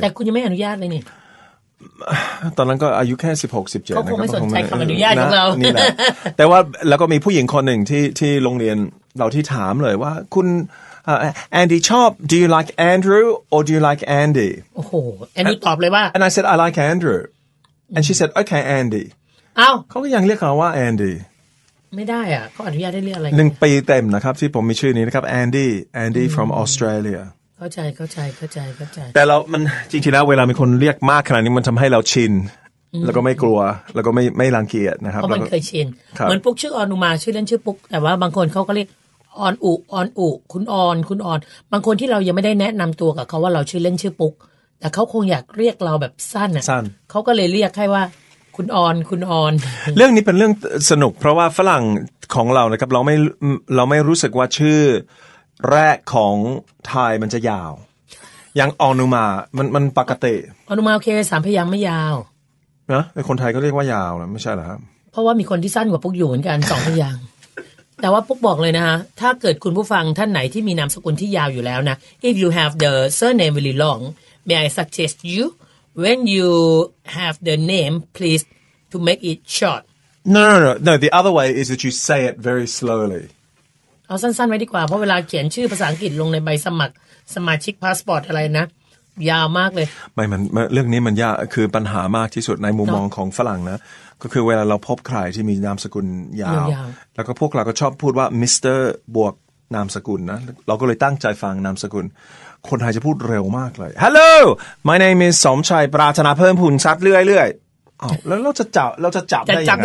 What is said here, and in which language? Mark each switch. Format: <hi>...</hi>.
<th>แต่คุณยังไม่อนุญาตเลยนี่ตอนนั้นก็อายุแค่16 17 นะครับเขาคงไม่สนใจคำอนุญาตของเรานี่แหละแต่ว่าแล้วก็มีผู้หญิงคนหนึ่งที่โรงเรียนเราที่ถามเลยว่าคุณแอนดี้ชอบ</th> <en>Do you like Andrew or do you like Andy</en> <th>โอ้โหแอนดี้ตอบเลยว่า</th> <en>And I said I like Andrew And she said okay Andy</en> <th>เอ้า เขาก็ยังเรียกเราว่าแอนดี้ ไม่ได้อ่ะเขาอนุญาตได้เรียกอะไร 1ปีเต็มนะครับที่ผมมีชื่อนี้นะครับแอนดี้</th> <en>from Australia</en> <th>เข้าใจเข้าใจเข้าใจเข้าใจ แต่เรามันจริงๆแล้วเวลามีคนเรียกมากขนาดนี้มันทำให้เราชินแล้วก็ไม่กลัวแล้วก็ไม่รังเกียจนะครับ เพราะมันเคยชินเหมือนปุ๊กชื่ออนุมาชื่อเล่นชื่อปุ๊กแต่ว่าบางคนเขาก็เรียกออนอุออนอุคุณออนคุณออนบางคนที่เรายังไม่ได้แนะนำตัวกับเขาว่าเราชื่อเล่นชื่อปุ๊กแต่เขาคงอยากเรียกเราแบบสั้น สั้น เขาก็เลยเรียกให้ว่าคุณออนคุณออน เรื่องนี้เป็นเรื่องสนุกเพราะว่าฝรั่งของเรานะครับเราไม่รู้สึกว่าชื่อแรกของไทยมันจะยาวอย่างอนุมามันปกติ อนุมาโอเคสามพยางค์ไม่ยาว นะคนไทยก็เรียกว่ายาวนะไม่ใช่เหรอครับ เพราะว่ามีคนที่สั้นกว่าปุ๊กอยู่เหมือนกันสองพยางค์แต่ว่าปุ๊กบอกเลยนะฮะถ้าเกิดคุณผู้ฟังท่านไหนที่มีนามสกุลที่ยาวอยู่แล้วนะ</th> <en>if you have the surname really long may I suggest you when you have the name please to make it short no the other way is that you say it very slowly</en> <th>เอาสั้นๆไว้ดีกว่าเพราะเวลาเขียนชื่อภาษาอังกฤษลงในใบสมัครสมาชิกพาสปอร์ตอะไรนะยาวมากเลย ไม่มันเรื่องนี้มันยากคือปัญหามากที่สุดในมุมมองของฝรั่งนะก็คือเวลาเราพบใครที่มีนามสกุลยาวแล้วก็พวกเราก็ชอบพูดว่ามิสเตอร์บวกนามสกุลนะเราก็เลยตั้งใจฟังนามสกุลคนไทยจะพูดเร็วมากเลย</th> <en>Hello my name is</en> <th>สมชัยปราถนาเพิ่มพูนชัดเรื่อยๆแล้วเราจะจับได้ยังไง</th>